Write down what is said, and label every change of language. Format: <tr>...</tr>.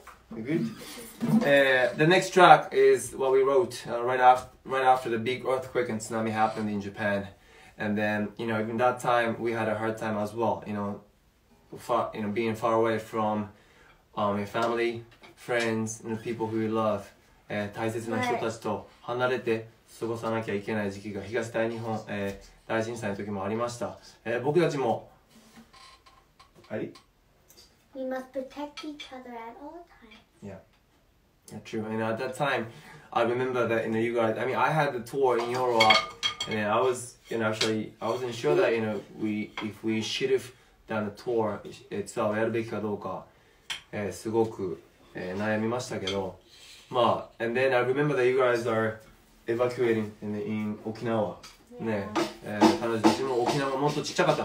<en>The next track is what we wrote right after the big earthquake and tsunami happened in Japan. And then, you know, even that time we had a hard time as well, you know, being far away from your family, friends, and the people who you love.</en> <ja>大切な人たちと離れて過ごさなきゃいけない時期が東大日本、大震災の時もありました。僕たちも、はい。</ja> <en>We must protect each other at all times. Yeah, true. And at that time, I remember that, you know, you guys, I mean, I had the tour in Europe, and I was, you know, actually, I wasn't sure that, you know, if we should have done the tour itself,</en> <ja>やるべきかどうか、すごく、悩みましたけど、まあ、</ja> <en>and then I remember that you guys are evacuating in Okinawa. Yeah.</en> <ja>ね、彼女も沖縄もっとちっちゃかった。</ja>